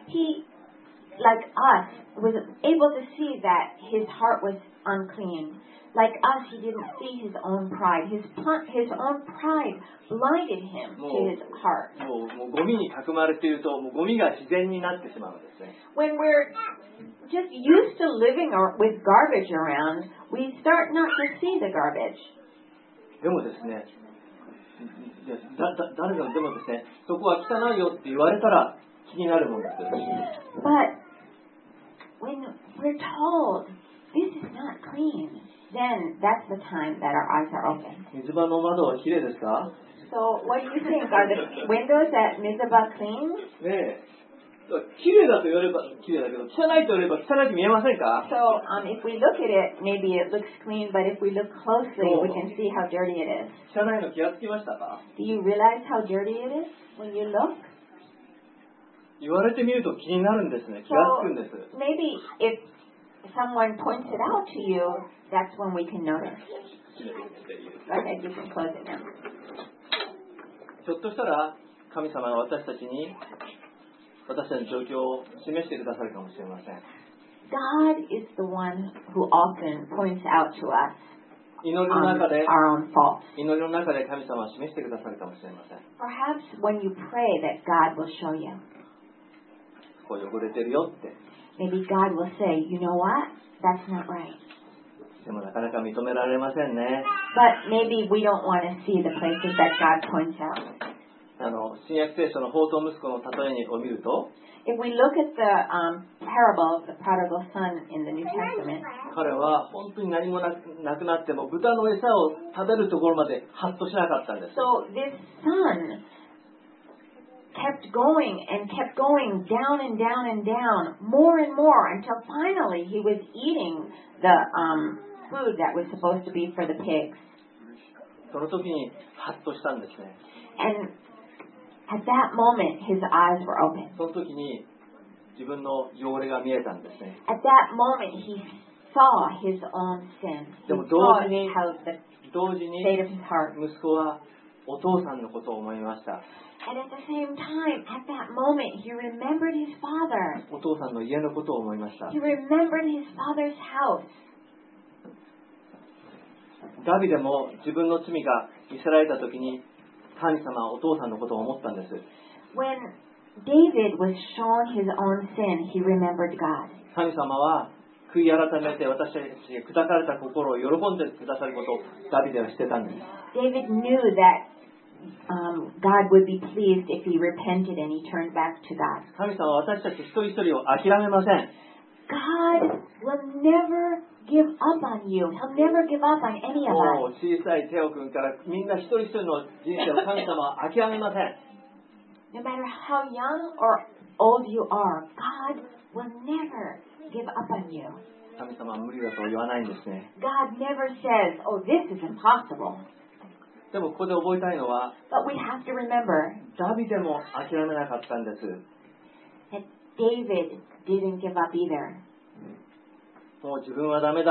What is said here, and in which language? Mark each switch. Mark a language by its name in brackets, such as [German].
[English] He, like us, was able to see that his heart was unclean. Like us, he didn't see his own pride. His own pride blinded him to his heart. [Japanese] もうゴミに囲まれていると、もうゴミが自然になってしまうんですね。 [English] When we're just used to living with garbage around, we start not to see the garbage. [Japanese] でもですね、誰でもでもですね、そこは汚いよって言われたら気になるもんですよ。 [English] But when we're told this is not clean, then that's the time that our eyes are open. [Japanese] 水場の窓は綺麗ですか? [English] So what do you think? Are the windows at Mizuba clean? [Japanese] ねえ。綺麗だと言われば綺麗だけど、汚いと言われば汚いと見えませんか？ [English] So, if we look at it, maybe it looks clean, but if we look closely, we can see how dirty it is. [Japanese] 汚いの気がつきましたか？ [English] Do you realize how dirty it is when you look? [Japanese] 言われてみると気になるんですね。気がつくんです。 [English] So, maybe if someone points it out to you, that's when we can notice. Okay, you can close it now. [Japanese] ひょっとしたら神様が私たちに私たちの状況を示してくださるかもしれません。 [English] God is the one who often points out to us [Japanese] 祈りの中で、 [English] our own faults. [Japanese] 祈りの中で神様を示してくださるかもしれません。 [English] Perhaps when you pray that God will show you. [Japanese] こう汚れてるよって。 [English] Maybe God will say, you know what? That's not right. [Japanese] でもなかなか認められませんね。 [English] But maybe we don't want to see the places that God points out. [Japanese] 新約聖書の放蕩息子の例えを見ると [English] If we look at the, parable of the prodigal son in the New Testament, [Japanese] 彼は本当に何もなくなっても豚の餌を食べるところまでハッとしなかったんです。 [English] So this son kept going and kept going down and down and down more and more until finally he was eating the, food that was supposed to be for the pigs. [Japanese] その時にハッとしたんですね。 [English] AndAt that moment, his eyes were open. [Japanese] その時に自分の汚れが見えたんですね。 [English] At that moment, he saw his own sin. [Japanese] でも同時に息子はお父さんのことを思いました。 [English] And at the same time, at that moment, he remembered his father. [Japanese] お父さんの家のことを思いました。 [English] He remembered his father's house. [Japanese] ダビデも自分の罪が見せられた時に神様はお父さんのことを思ったんです。 [English] When David was shown his own sin, he remembered God. [Japanese] 神様は悔い改めて私たちが砕かれた心を喜んでくださることをダビデは知ってたんです。 [English] David knew that, God would be pleased if he repented and he turned back to God. [Japanese] 神様は私たち一人一人を諦めません。 [English] God will never give up on you. He'll never give up on any of us. [Japanese] 小さいテオ君からみんな一人一人の人生を神様は諦めません。 [English] No matter how young or old you are, God will never give up on you. [Japanese] 神様は無理だと言わないんですね。 [English] God never says, oh, this is impossible. [Japanese] でもここで覚えたいのは、 [English] But we have to remember, [Japanese] ダビデも諦めなかったんです。 [English] David didn't give up either. [Japanese] もう自分はダメだ。